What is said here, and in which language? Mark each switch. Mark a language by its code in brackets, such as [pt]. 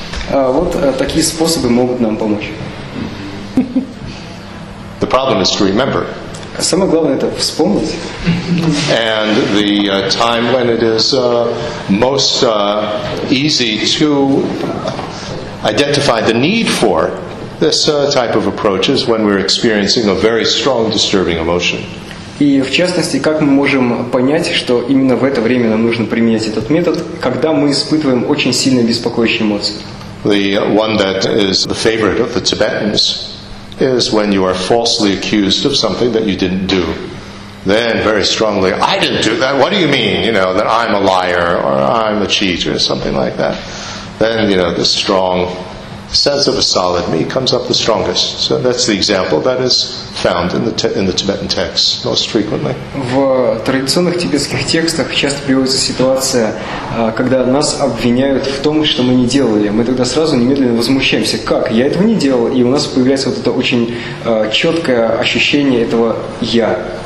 [ru] Вот такие способы могут нам помочь. [en] The problem is to remember. [ru] Самое главное это вспомнить. [en] And the time when it is most easy to identify the need for this type of approach is when we're experiencing a very strong disturbing emotion. [ru] И в частности, как мы можем понять, что именно в это время нам нужно применять этот метод, когда мы испытываем очень сильные беспокоящие эмоции? [en] The one that is the favorite of the Tibetans is when you are falsely accused of something that you didn't do. Then very strongly, I didn't do that. What do you mean? You know, that I'm a liar or I'm a cheat or something like that. Then, you know, the strong sense of a solid me comes up the strongest. So that's the example that is found in the Tibetan texts most frequently. [ru] В традиционных тибетских текстах часто приводится ситуация, когда нас обвиняют в том, что мы не делали. Мы тогда сразу немедленно возмущаемся. Как? Я этого не делал. И у нас появляется вот это очень четкое ощущение этого «я».